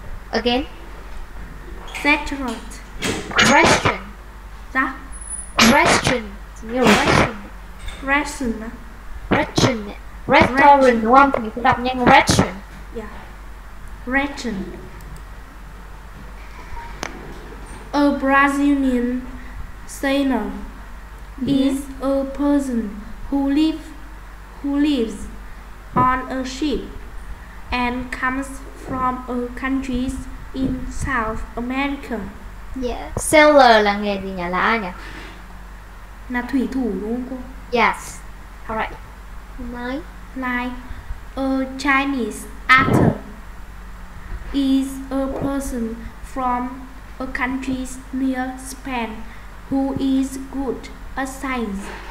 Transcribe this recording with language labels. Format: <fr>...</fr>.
<en>Again. Restaurant. Restaurant.</en> <vi>Dạ. Restaurant. Nhiều restaurant.</vi> <en>Restaurant. Restaurant.</en> <vi>Restaurant đúng không? Thì mình cứ đọc nhanh restaurant.</vi> <en>Yeah. Restaurant. A Brazilian sailor is a person who lives on a ship and comes from a country in South America.</en> <vi>Yeah. Sailor là nghề gì nhỉ? Là ai nhỉ? Là thủy thủ đúng không cô?</vi> <en>Yes. Alright. Like a Chinese actor is a person from a country near Spain who is good at science.</en>